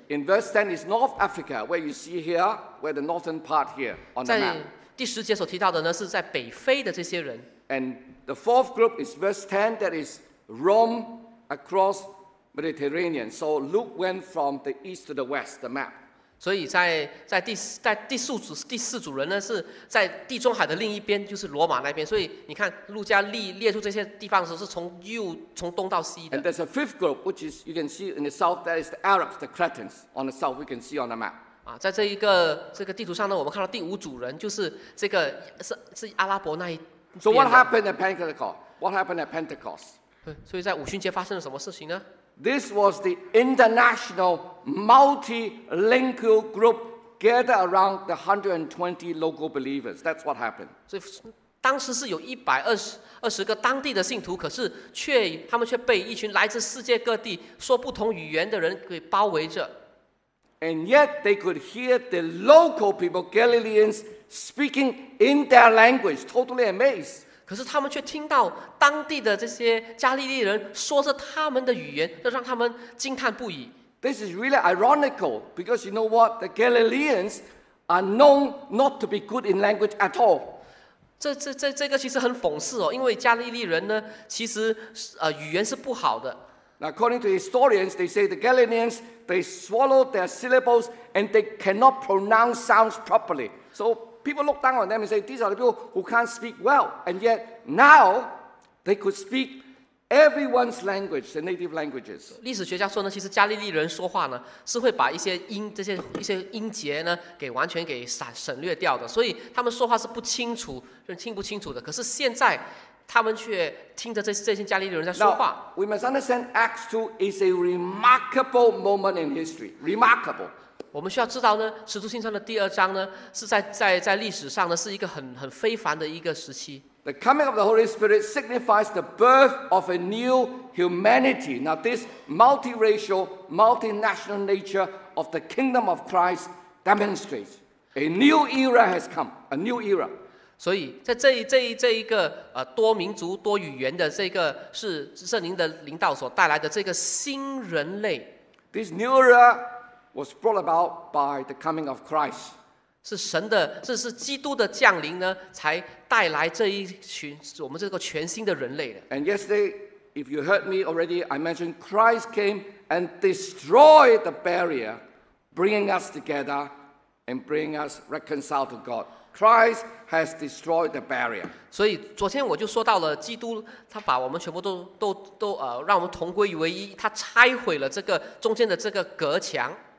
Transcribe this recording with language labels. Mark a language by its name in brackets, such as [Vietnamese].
[English] In verse 10 is North Africa, where you see here, where the northern part here on the map. [Chinese] 在第十节所提到的呢，是在北非的这些人。 [English] And the fourth group is verse 10, that is Rome across Mediterranean. So Luke went from the east to the west, the map. [Chinese] 所以在第四组人呢，是在地中海的另一边，就是罗马那边。所以你看，路加列出这些地方的时候，是从东到西的。 [English] And there's a fifth group, which is you can see in the south, that is the Arabs, the Cretans on the south. We can see on the map. [Chinese] 啊，在这个地图上呢，我们看到第五组人就是这个是阿拉伯那一。 [English] So what happened at Pentecost? What happened at Pentecost? [Chinese] 所以在五旬节发生了什么事情呢？ [English] This was the international multilingual group gathered around the 120 local believers. That's what happened. [Chinese] 所以当时是有120个当地的信徒，可是他们却被一群来自世界各地说不同语言的人给包围着。 [English] And yet they could hear the local people, Galileans. Speaking in their language, totally amazed. [Chinese] 可是他们却听到当地的这些加利利人说着他们的语言，这让他们惊叹不已。 [English] This is really ironical because you know what? The Galileans are known not to be good in language at all. [Chinese] 这个其实很讽刺哦，因为加利利人呢，其实语言是不好的。 [English] According to historians, they say the Galileans they swallow their syllables and they cannot pronounce sounds properly. So people look down on them and say, these are the people who can't speak well. And yet now they could speak everyone's language, the native languages. [Chinese] 历史学家说呢，其实加利利人说话呢，是会把一些音节呢，给完全给省略掉的。所以他们说话是不清楚，听不清楚的。可是现在他们却听着这些加利利人在说话。 [English] Now, we must understand Acts 2 is a remarkable moment in history. Remarkable. [Chinese] 我们需要知道呢，《使徒行传》的第二章呢，是在历史上呢，是一个很非凡的一个时期。 [English] The coming of the Holy Spirit signifies the birth of a new humanity. Now, this multiracial, multinational nature of the kingdom of Christ demonstrates a new era has come. A new era. [Chinese] 所以，在这一个多民族多语言的这个是圣灵的领导所带来的这个新人类。 [English] This new era. Was brought about by the coming of Christ. [Chinese] 是基督的降临呢，才带来这一群我们这个全新的人类的。 [English] And yesterday, if you heard me already, I mentioned Christ came and destroyed the barrier, bringing us together and bringing us reconciled to God. Christ has destroyed the barrier. [Chinese] 所以昨天我就说到了，基督他把我们全部都让我们同归于唯一，他拆毁了这个中间的这个隔墙。